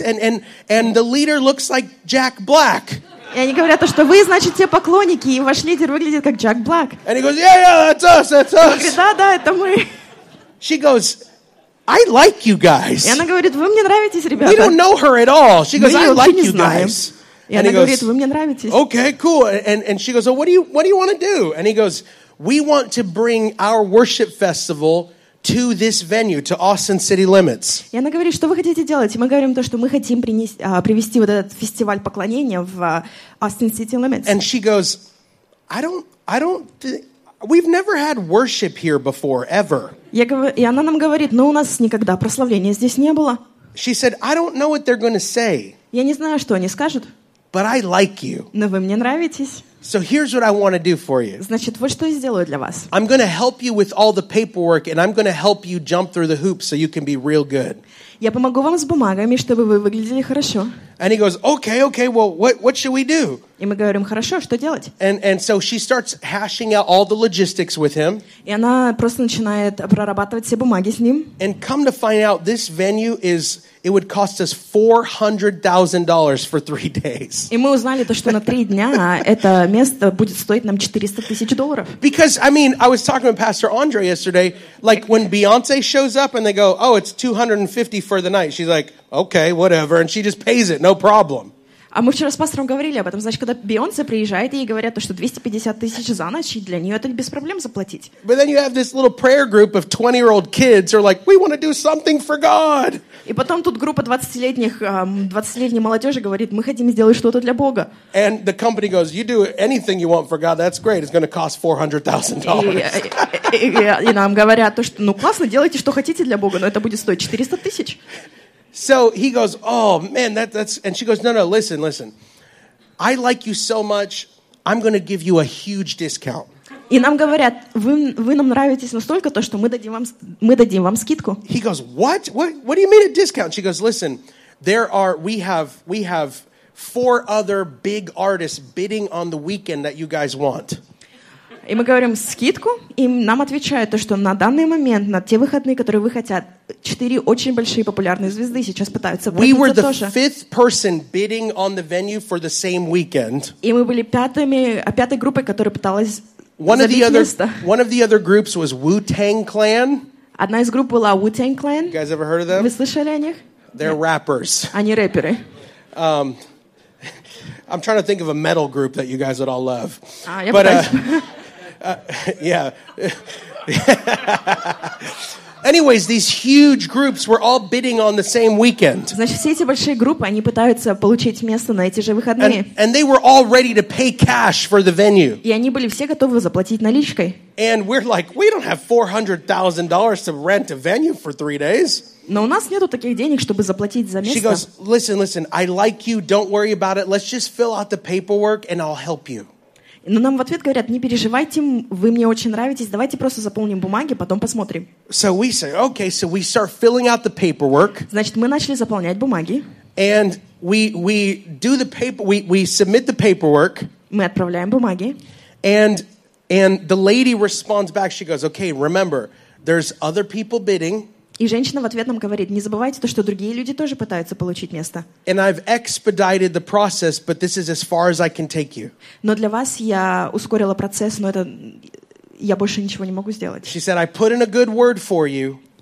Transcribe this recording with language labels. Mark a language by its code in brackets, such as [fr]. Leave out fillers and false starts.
[en] And the leader looks like Jack Black. [ru] И они говорят, что вы, значит, те поклонники, и ваш лидер выглядит как Джек Блэк. [en] And he goes, yeah, that's us, that's us. [ru] Он говорит, да, это мы. [en] She goes, I like you guys. [ru] И она говорит, вы мне нравитесь, ребята. [en] We don't know her at all. She goes, I like you guys. [ru] И она говорит, вы мне нравитесь. [en] Okay, cool. And she goes, what do you want to do? And he goes, we want to bring our worship festival to this venue, to Austin City Limits. [ru] И она говорит, что вы хотите делать? И мы говорим то, что мы хотим привести вот этот фестиваль поклонения в Austin City Limits. [en] And she goes, we've never had worship here before, ever. [ru] И она нам говорит, но у нас никогда прославления здесь не было. [en] She said, I don't know what they're going to say. [ru] Я не знаю, что они скажут. [en] But I like you. [ru] Но вы мне нравитесь. [en] So here's what I want to do for you. [ru] Значит, вот что я сделаю для вас. [en] I'm going to help you with all the paperwork, and I'm going to help you jump through the hoops so you can be real good. [ru] Я помогу вам с бумагами, чтобы вы выглядели хорошо. [en] And he goes, okay, well, what should we do? [ru] И мы говорим, хорошо, что делать? [en] And so she starts hashing out all the logistics with him. [ru] И она просто начинает прорабатывать все бумаги с ним. [en] And come to find out, this venue is... It would cost us $400,000 for 3 days. [ru] И мы узнали то, что на три дня это место будет стоить нам $400,000. [en] Because I mean, I was talking with Pastor Andre yesterday. Like when Beyonce shows up and they go, "Oh, it's $250 for the night." She's like, "Okay, whatever," and she just pays it, no problem. [ru] А мы вчера с пастором говорили об этом, значит, когда Бейонсе приезжает, ей говорят, что $250,000 за ночь, и для нее это без проблем заплатить. [en] But then you have this little prayer group of 20-year-old kids who are like, we want to do something for God. [ru] И потом тут группа 20-летней молодежи говорит, мы хотим сделать что-то для Бога. [en] And the company goes, you do anything you want for God, that's great, it's going to cost $400,000. [ru] И нам говорят, что, ну классно, делайте что хотите для Бога, но это будет стоить $400,000. [en] So he goes, oh, man, that's... And she goes, no, listen. I like you so much, I'm going to give you a huge discount. [ru] И нам говорят, вы нам нравитесь настолько, то, что мы дадим вам скидку. [en] He goes, what do you mean a discount? She goes, listen, we have four other big artists bidding on the weekend that you guys want. [ru] И мы говорим, скидку? И нам отвечают, то, что на данный момент, на те выходные, которые вы хотят, 4 очень большие популярные звезды сейчас пытаются пробиться тоже. [en] We were the fifth person bidding on the venue for the same weekend. [ru] И мы были пятой группой, которая пыталась [en] One of the other groups was Wu-Tang Clan. [ru] Одна из групп была Wu-Tang Clan. [en] You guys ever heard of them? [ru] Вы слышали о них? [en] They're rappers. [ru] Они рэперы. [en] I'm trying to think of a metal group that you guys would all love. [ru] Я пытаюсь... [en] yeah. Anyways, these huge groups were all bidding on the same weekend. [ru] Значит, все эти большие группы, они пытаются получить место на эти же выходные. [en] And they were all ready to pay cash for the venue. [ru] И они были все готовы заплатить наличкой. [en] And we're like, we don't have $400,000 to rent a venue for 3 days. [ru] Но у нас нету таких денег, чтобы заплатить за место. [en] She goes, listen, I like you, don't worry about it. Let's just fill out the paperwork and I'll help you. [ru] Но нам в ответ говорят, не переживайте, вы мне очень нравитесь, давайте просто заполним бумаги, потом посмотрим. [en] So we say, okay, so we start filling out the paperwork. [ru] Значит, мы начали заполнять бумаги. [en] And we do the paper, we submit the paperwork. [ru] Мы отправляем бумаги. [en] And the lady responds back, she goes, okay, remember, there's other people bidding. [ru] И женщина в ответ нам говорит, не забывайте то, что другие люди тоже пытаются получить место. [en] And I've expedited the process, but this is as far as I can take you. [ru] Но для вас я ускорила процесс, но это... Я больше ничего не могу сделать. [en] She said, I put in a good word for you.